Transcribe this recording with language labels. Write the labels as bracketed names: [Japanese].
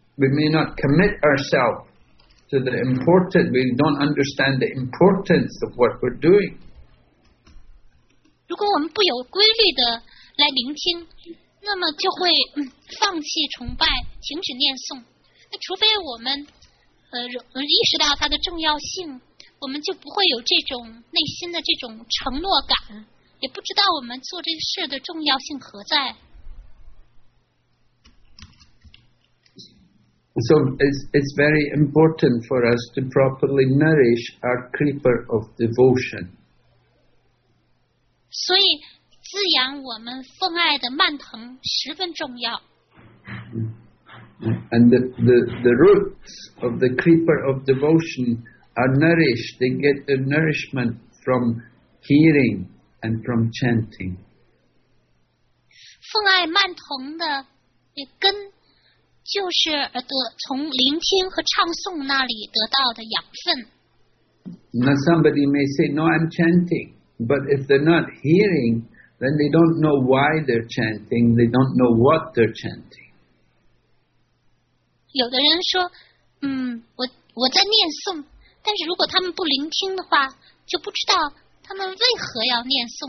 [English] We may not commit ourselves to the important. We don't understand the importance of what we're doing. [Chinese] 如果我们不有规律的来聆听，那么就会放弃崇拜，停止念诵。那除非我们意识到它的重要性，我们就不会有这种内心的这种承诺感。也不知道我们做这个事的重要性何在。 [English] So it's very important for us to properly nourish our creeper of devotion. [Chinese] 所以滋养我们奉爱的蔓藤十分重要。 [English] And the roots of the creeper of devotion are nourished. They get the nourishment from hearing. And from chanting. [Chinese] 奉爱蔓藤的根就是耳朵从聆听和唱诵那里得到的养分。 [English] Now somebody may say, no, I'm chanting. But if they're not hearing, then they don't know why they're chanting. They don't know what they're chanting. [Chinese] 有的人说，我在念诵，但是如果他们不聆听的话，就不知道他们为何要念诵？